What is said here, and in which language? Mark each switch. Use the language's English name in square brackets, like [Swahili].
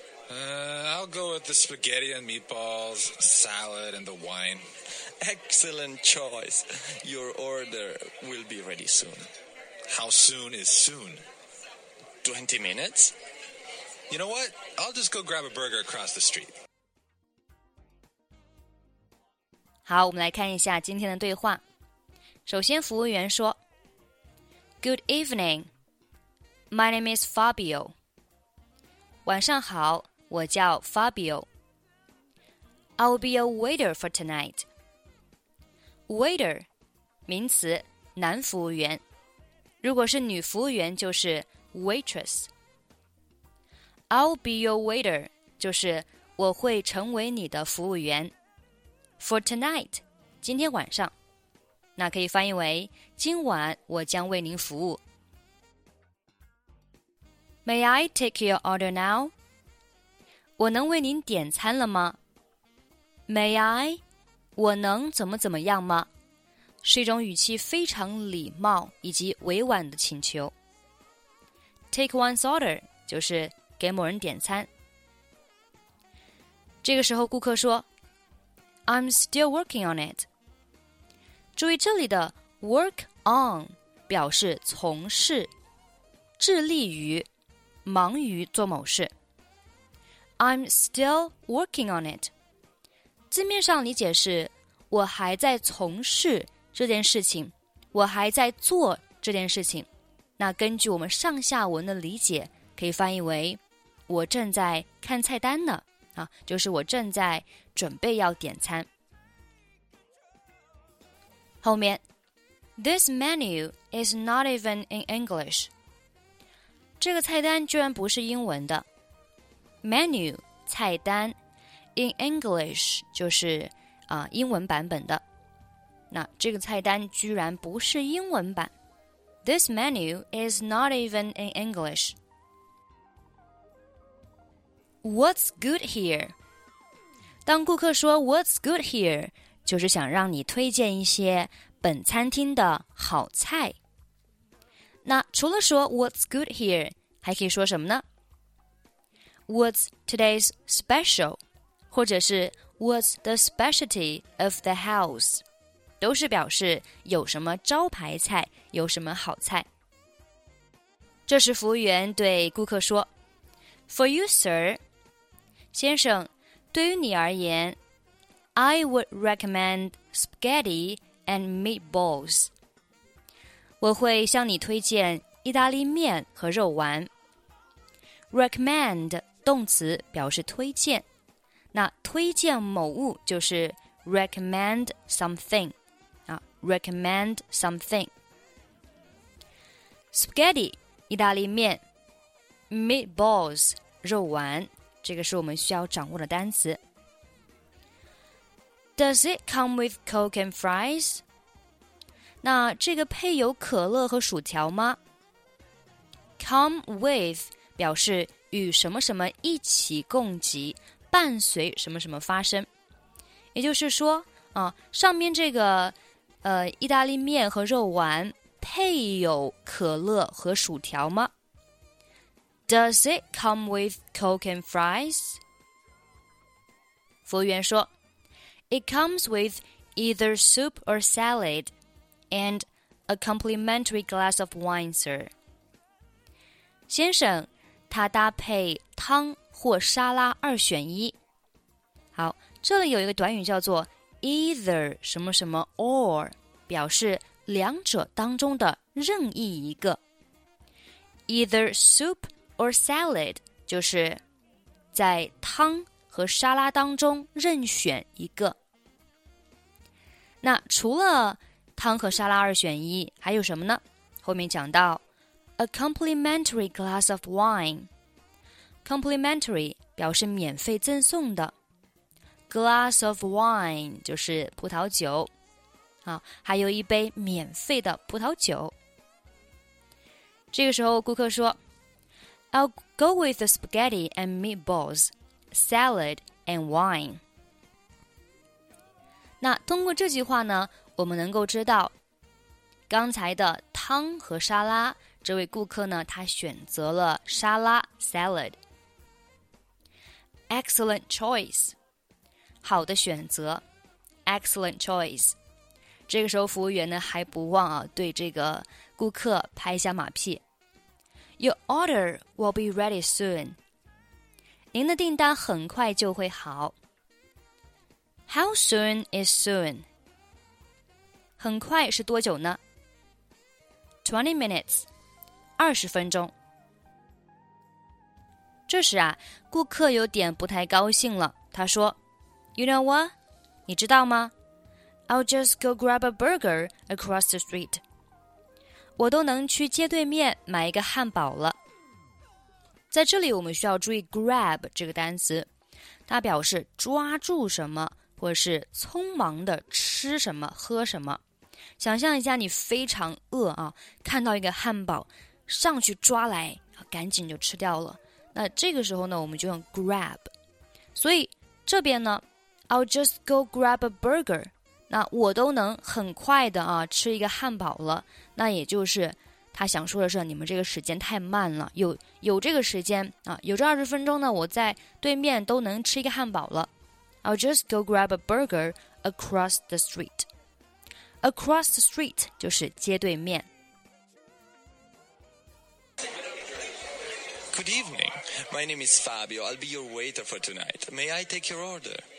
[English] I'll go with the spaghetti and meatballs, salad, and the wine. Excellent choice. Your order will be ready soon. How soon is soon? 20 minutes. You know what? I'll just go grab a burger across the street. [Chinese] 好，我们来看一下今天的对话。首先，服务员说 [English] Good evening. My name is Fabio. [Chinese] 晚上好。我叫 Fabio. [English] I'll be a waiter for tonight. [Chinese] Waiter, 名词，男服务员。如果是女服务员就是 waitress. [English] I'll be your waiter, [Chinese] 就是我会成为你的服务员。 [English] For tonight, [Chinese] 今天晚上。那可以翻译为今晚我将为您服务。 [English] May I take your order now? [Chinese] 我能为您点餐了吗 ? [English] May I? [Chinese] 我能怎么怎么样吗是一种语气非常礼貌以及委婉的请求。 [English] Take one's order, [Chinese] 就是给某人点餐。这个时候顾客说 , [English] I'm still working on it. [Chinese] 注意这里的 work on 表示从事致力于忙于做某事。 [English] I'm still working on it. [Chinese] 字面上理解是我还在从事这件事情，我还在做这件事情。那根据我们上下文的理解，可以翻译为我正在看菜单呢，啊，就是我正在准备要点餐。后面 [English] ,This menu is not even in English. [Chinese] 这个菜单居然不是英文的。Menu, 菜单 [English] in English, [Chinese] 就是、英文版本的。那这个菜单居然不是英文版。 [English] This menu is not even in English. What's good here? [Chinese] 当顾客说 [English] What's good here? [Chinese] 就是想让你推荐一些本餐厅的好菜。那除了说 What's good here? 还可以说什么呢？ [English] What's today's special? [Chinese] 或者是 [English] What's the specialty of the house? [Chinese] 都是表示有什么招牌菜，有什么好菜。这时服务员对顾客说 [English] For you, sir. [Chinese] 先生，对于你而言 [English] I would recommend spaghetti and meatballs. [Chinese] 我会向你推荐意大利面和肉丸。 Recommend动词表示推荐，那推荐某物就是 [English] recommend something [Chinese] 啊 ，recommend something。 Spaghetti 意大利面 ，meatballs 肉丸，这个是我们需要掌握的单词。 [English] Does it come with Coke and fries？ [Chinese] 那这个配有可乐和薯条吗 ？Come with 表示。与什么什么一起共给，伴随什么什么发生，也就是说啊，上面这个意大利面和肉丸配有可乐和薯条吗 ？ [English] Does it come with Coke and fries？ [Chinese] 服务员说 [English] ，It comes with either soup or salad, and a complimentary glass of wine, sir。 [Chinese] 先生。它搭配汤或沙拉二选一。好，这里有一个短语叫做 either 什么什么 or， 表示两者当中的任意一个。 [English] Either soup or salad [Chinese] 就是在汤和沙拉当中任选一个。那除了汤和沙拉二选一，还有什么呢？后面讲到 [English] A complimentary glass of wine。 [Chinese] Complimentary 表示免费赠送的。 [English] Glass of wine [Chinese] 就是葡萄酒，好，还有一杯免费的葡萄酒。这个时候顾客说 [English] I'll go with the spaghetti and meatballs, salad and wine. [Chinese] 那通过这句话呢，我们能够知道刚才的汤和沙拉，这位顾客呢，他选择了沙拉 salad. [English] Excellent choice. [Chinese] 好的选择 [English] ,excellent choice. [Chinese] 这个时候服务员呢还不忘啊对这个顾客拍一下马屁。 [English] Your order will be ready soon. [Chinese] 您的订单很快就会好。 [English] How soon is soon? [Chinese] 很快是多久呢 ? [English] 20 minutes, [Chinese] 20分钟。这时啊顾客有点不太高兴了，他说 [English] You know what? [Chinese] 你知道吗? [English] I'll just go grab a burger across the street. [Chinese] 我都能去街对面买一个汉堡了。在这里我们需要注意 grab 这个单词，它表示抓住什么，或是匆忙的吃什么，喝什么。想象一下你非常饿啊，看到一个汉堡，上去抓来，赶紧就吃掉了。那这个时候呢，我们就用 grab。所以这边呢 [English] I'll just go grab a burger. [Chinese] 那我都能很快的啊吃一个汉堡了。那也就是他想说的是你们这个时间太慢了。有这个时间啊，有这二十分钟呢，我在对面都能吃一个汉堡了。 [English] I'll just go grab a burger across the street. Across the street [Chinese] 就是街对面。 [English] Good evening. My name is Fabio. I'll be your waiter for tonight. May I take your order?